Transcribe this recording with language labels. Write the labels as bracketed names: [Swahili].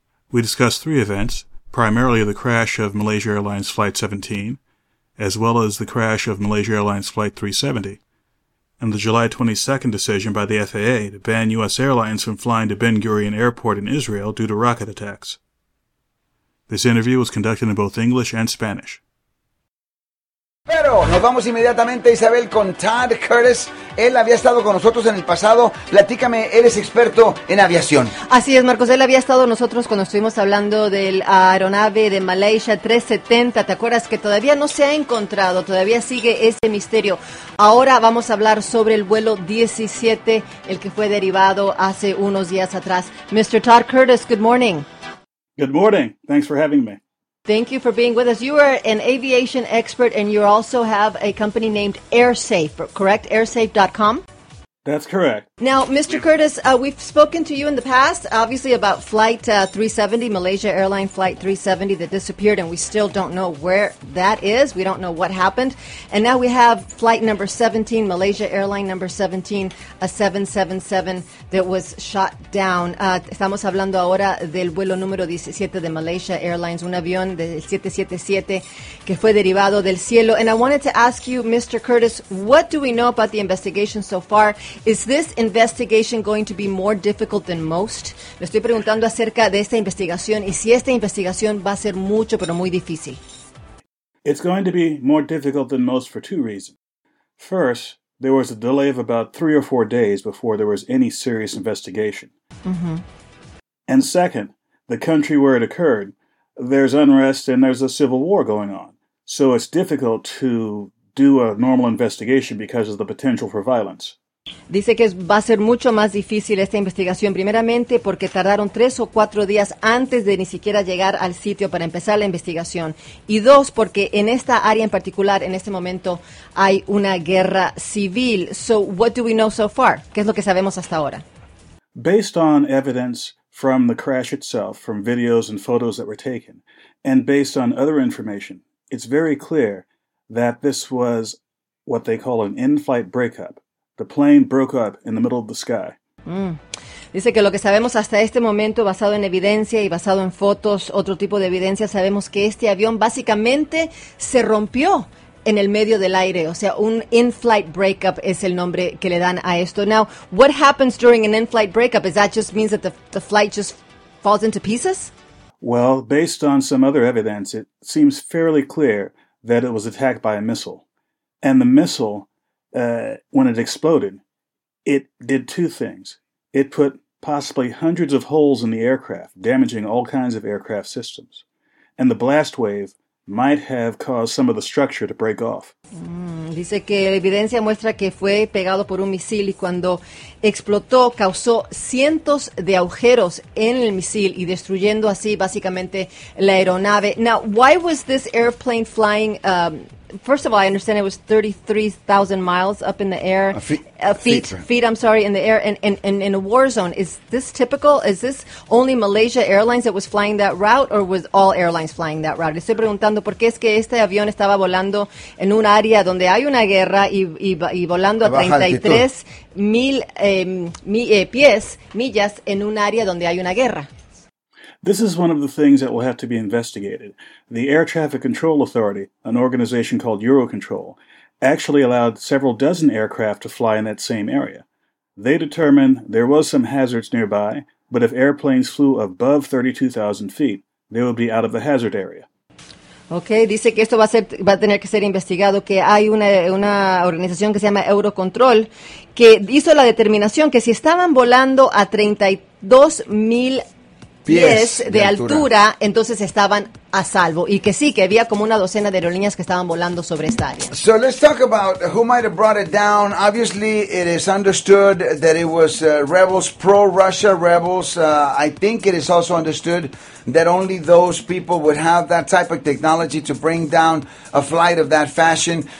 [English] We discuss three events, primarily the crash of Malaysia Airlines Flight 17, as well as the crash of Malaysia Airlines Flight 370, and the July 22nd decision by the FAA to ban U.S. airlines from flying to Ben Gurion Airport in Israel due to rocket attacks. This interview was conducted in both English and Spanish. [Spanish] Pero nos vamos inmediatamente, Isabel, con Todd Curtis. Él había estado con nosotros en el pasado. Platícame, eres experto en aviación. Así es, Marcos. Él había estado nosotros cuando estuvimos hablando del aeronave de Malaysia 370. ¿Te acuerdas que todavía no se ha encontrado? Todavía sigue ese misterio. Ahora vamos a hablar sobre el vuelo 17, el que fue derivado hace unos días atrás. [English] Mr. Todd Curtis, good morning. Good morning. Thanks for having me. Thank you for being with us. You are an aviation expert, and you also have a company named AirSafe, correct? AirSafe.com? That's correct. Now, Mr. Curtis, we've spoken to you in the past, obviously, about Flight 370, Malaysia Airlines Flight 370 that disappeared, and we still don't know where that is. We don't know what happened. And now we have Flight number 17, Malaysia Airlines number 17, a 777 that was shot down. [Spanish] Estamos hablando ahora del vuelo número 17 de Malaysia Airlines, un avión del 777 que fue derivado del cielo. [English] And I wanted to ask you, Mr. Curtis, what do we know about the investigation so far? Is this investigation going to be more difficult than most? [Spanish] Me estoy preguntando acerca de esta investigación y si esta investigación va a ser mucho, pero muy difícil. [English] It's going to be more difficult than most for two reasons. First, there was a delay of about 3 or 4 days before there was any serious investigation. Mm-hmm. And second, the country where it occurred, there's unrest and there's a civil war going on. So it's difficult to do a normal investigation because of the potential for violence. [Spanish] Dice que va a ser mucho más difícil esta investigación, primeramente porque tardaron 3 o 4 días antes de ni siquiera llegar al sitio para empezar la investigación. Y dos, porque en esta área en particular, en este momento, hay una guerra civil. [English] So, what do we know so far? [Spanish] ¿Qué es lo que sabemos hasta ahora? [English] Based on evidence from the crash itself, from videos and photos that were taken, and based on other information, it's very clear that this was what they call an in-flight breakup. The plane broke up in the middle of the sky. Mm. [Spanish] Dice que lo que sabemos hasta este momento, basado en evidencia y basado en fotos, otro tipo de evidencia, sabemos que este avión básicamente se rompió en el medio del aire. O sea, un in-flight breakup es el nombre que le dan a esto. [English] Now, what happens during an in-flight breakup? Is that just means that the flight just falls into pieces? Well, based on some other evidence, it seems fairly clear that it was attacked by a missile. And the missile, when it exploded, it did two things. It put possibly hundreds of holes in the aircraft, damaging all kinds of aircraft systems. And the blast wave might have caused some of the structure to break off. [Spanish] Dice que la evidencia muestra que fue pegado por un misil y cuando explotó causó cientos de agujeros en el misil y destruyendo así básicamente la aeronave. [English] Now, why was this airplane flying? First of all, I understand it was 33,000 miles up in the air. Feet, I'm sorry, in the air in a war zone. Is this typical? Is this only Malaysia Airlines that was flying that route or was all airlines flying that route? [Spanish] Estoy preguntando por qué es que este avión estaba volando en un área donde hay una guerra y volando a 33,000 pies en un área donde hay una guerra. [English] This is one of the things that will have to be investigated. The Air Traffic Control Authority, an organization called Eurocontrol, actually allowed several dozen aircraft to fly in that same area. They determined there was some hazards nearby, but if airplanes flew above 32,000 feet, they would be out of the hazard area. [Spanish] Okay, dice que esto va a tener que ser investigado, que hay una organización que se llama Eurocontrol, que hizo la determinación que si estaban volando a 32,000 pies de altura, entonces estaban a salvo. Y que sí, que había como una docena de aerolíneas que estaban volando sobre esta área. [English] So let's talk about who might have brought it down. Obviously, it is understood that it was rebels, pro-Russia rebels. I think it is also understood that only those people would have that type of technology to bring down a flight of that fashion.